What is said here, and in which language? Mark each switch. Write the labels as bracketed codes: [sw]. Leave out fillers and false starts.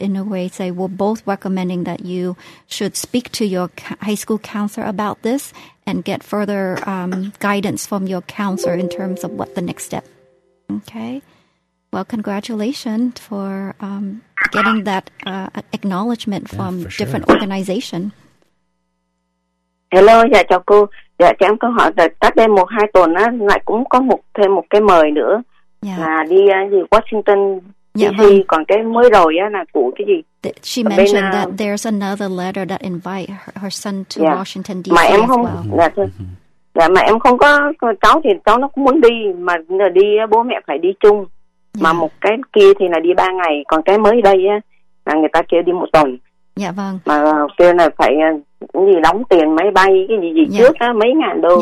[en] Inoue say, we're both recommending that you should speak to your high school counselor about this and get further guidance from your counselor in terms of what the next step. Okay. Well, congratulations for getting that acknowledgement from different organization. [vi] Hello, dạ chào cô. Dạ, cho em có hỏi là cách đây 1-2 tuần á, lại cũng có thêm một cái mời nữa là đi gì Washington DC. [en] Yeah, [vi] còn cái mới rồi á là của cái gì? [en] She mentioned that there's another letter that invite her son to Washington DC. [vi] Mà em không, dạ mà em không có cháu thì cháu nó cũng muốn đi, mà đi bố mẹ phải đi chung. Mà một cái kia thì là đi 3 ngày, còn cái mới đây á là người ta kêu đi 1 tuần. Dạ vâng. Mà kêu là phải cũng gì đóng tiền máy bay cái gì trước á mấy ngàn đô.